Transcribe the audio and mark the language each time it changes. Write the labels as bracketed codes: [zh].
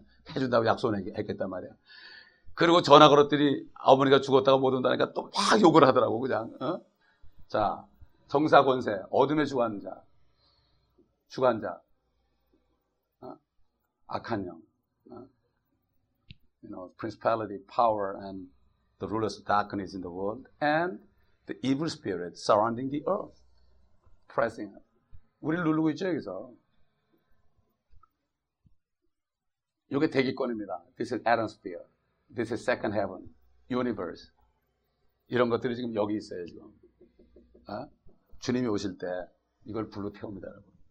[ko] 해준다고 약속했단 말이야. 그리고 전화 걸었더니 어머니가 죽었다고 못 온다니까 또 막 욕을 하더라고 그냥. 자, 정사 권세, 어둠에 주관한 자, 주관한 자, 악한 영. [en] You know, principality, power, and the rulers of darkness in the world, and the evil spirit surrounding the earth, pressing us. [ko] 우리를 누르고 있죠, 여기서. 이게 대기권입니다. [en] This is atmosphere. This is second heaven, universe. [ko] 이런 것들이 지금 여기 있어요, 지금. 주님이 오실 때 이걸 불로 태웁니다, 여러분.